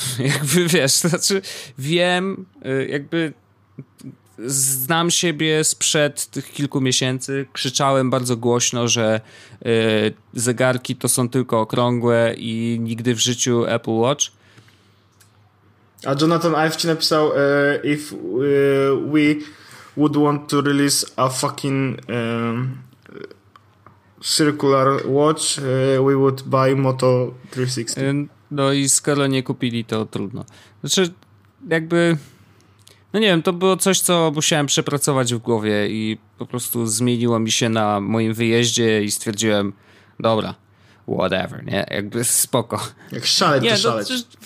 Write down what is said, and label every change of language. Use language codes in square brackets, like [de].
[pl] Jakby, wiesz, znaczy wiem, jakby znam siebie sprzed tych kilku miesięcy, krzyczałem bardzo głośno, że zegarki to są tylko okrągłe i nigdy w życiu Apple Watch. A Jonathan Ive ci napisał, [en] if we would want to release a fucking circular watch, we would buy Moto 360. [pl] No i skoro nie kupili, to trudno. Znaczy, jakby, no nie wiem, to było coś, co musiałem przepracować w głowie i po prostu zmieniło mi się na moim wyjeździe i stwierdziłem, dobra, whatever, nie? Jakby spoko. Jak szaleć, nie, to szaleć. No,